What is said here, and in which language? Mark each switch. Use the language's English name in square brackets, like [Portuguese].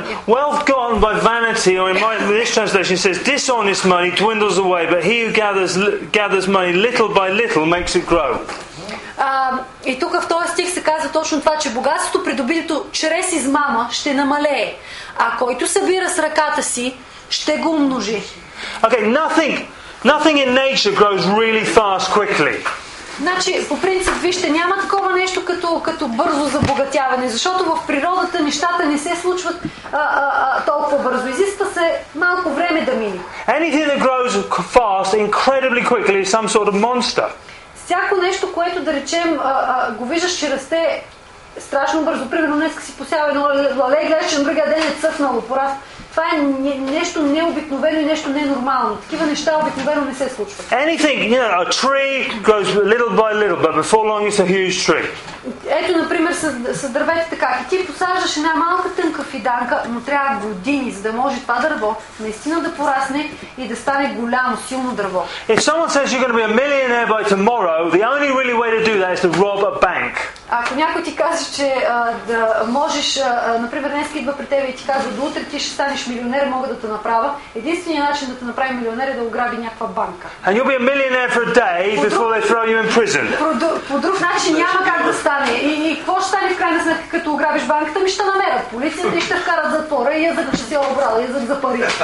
[English] Wealth gotten by vanity, or in this translation says, dishonest money dwindles away, but he who gathers money little by little makes it grow. [Bulgarian] И тук в този стих се казва точно това, че богатството, придобито чрез измама, ще намалее, а който събира с ръката си, ще го умножи. [English] Okay, nothing. Nothing in nature grows really fast quickly. [Bulgarian] Значи, по принцип, вижте, няма такова нещо като бързо забогатяване, защото в природата нещата не се случват толкова бързо. Изисква се малко време да мине. [English] Anything that grows fast, incredibly quickly, is some sort of monster. [Bulgarian] Всяко нещо, което да речем, го виждаш, че расте страшно бързо. Примерно, днеска си посява едно лале, гледаш, че на другия ден е цъфнало, пораст. Това е нещо необикновено и нещо ненормално. Такива неща обикновено не се случват. [English] Anything, you know, a tree grows little by little, but before long it's a huge tree. [Bulgarian] Ето, например, с дървета така. Ти посаждаш една малка тънка фиданка, но трябва години, за да може това дърво наистина да порасне и да стане голямо, силно дърво. [English] If someone says you're going to be a millionaire by tomorrow, the only really way to do that is to rob a bank. [Bulgarian] Ако някой ти каже, че да можеш, например, днес идва при тебе и ти казва, до утре ти ще станеш милионер, мога да те направя. Единственият начин да те направи милионер е да ограби някаква банка. [English] And you'll be a millionaire for a day before they throw you in prison. [Bulgarian] По друг начин няма как да стане. И какво ще стане в крайна сметка, като ограбиш банката, ми ще намерят полицията и ще вкарат затвора и язък, че си я обрала, язък за пари.